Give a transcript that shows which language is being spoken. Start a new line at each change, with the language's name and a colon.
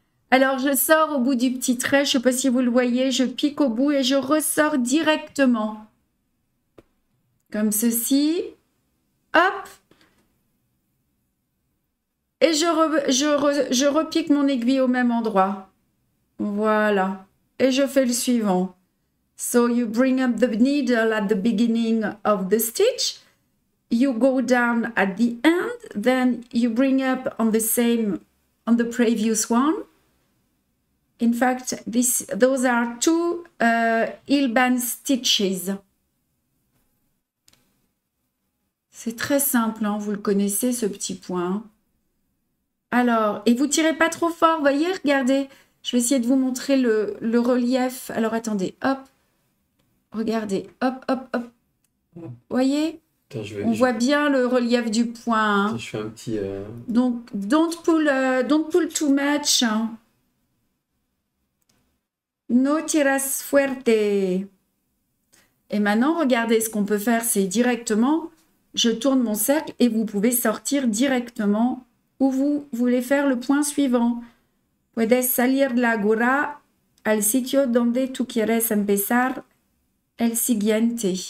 French: Alors, je sors au bout du petit trait, je ne sais pas si vous le voyez, je pique au bout et je ressors directement. Comme ceci. Hop! Et je repique mon aiguille au même endroit. Voilà. Et je fais le suivant.
English: So you bring up the needle at the beginning of the stitch. You go down at the end. Then you bring up on the same, on the previous one. In fact, those are two Hilban stitches.
French: C'est très simple, hein, vous le connaissez, ce petit point. Alors, et vous tirez pas trop fort, voyez, regardez. Je vais essayer de vous montrer le relief. Alors, attendez, hop. Regardez, hop, hop, hop. Voyez? On voit bien le relief du point. Attends, Hein. je fais un petit
English: Donc, don't pull too much. Hein.
Spanish: No tiras fuerte.
French: Et maintenant, regardez, ce qu'on peut faire, c'est directement, je tourne mon cercle et vous pouvez sortir directement où vous voulez faire le point suivant.
Spanish: Puedes salir de la gora al sitio donde tú quieres empezar el siguiente.